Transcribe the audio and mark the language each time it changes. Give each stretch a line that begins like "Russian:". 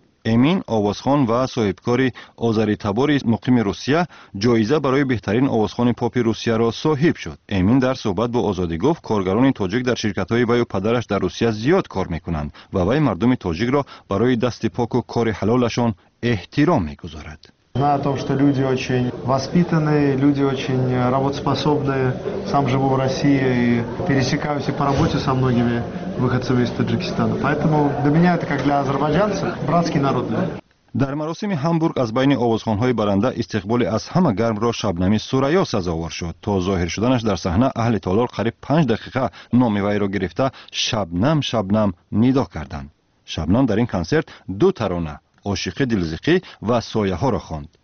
Persian: امین آوازخوان و صاحبکار آذری تباری مقیم روسیه جایزه برای بهترین آوازخوان پاپ روسیه را صاحب شد. امین در صحبت با آزادی گفت کارگران تاجیک در شرکت‌های وی و پدرش در روسیه زیاد کار می‌کنند و وی مردم تاجیک را برای دست پاک و کار حلالشان احترام می‌گذارد.
Russian: Знаю о том, что люди очень воспитанные, люди очень работоспособные. Сам живу в России и пересекаюсь и по работе со многими выходцами из Таджикистана. Поэтому для меня это, как для азербайджанцев, братский народ.
Tajik: Дар маросими Ҳамбург аз байни овозхонҳои баранда истиқболи аз ҳама гармро Шабнами Сурайё сазовор шуд. То зоҳир шуданаш дар саҳна аҳли толор қариб 5 дақиқа номи вайро гирифта Шабнам Шабнам нидо карданд. Шабнам дар ин консерт ду тарона Ошиқи Дилзиқӣ ва Сояҳоро хонд.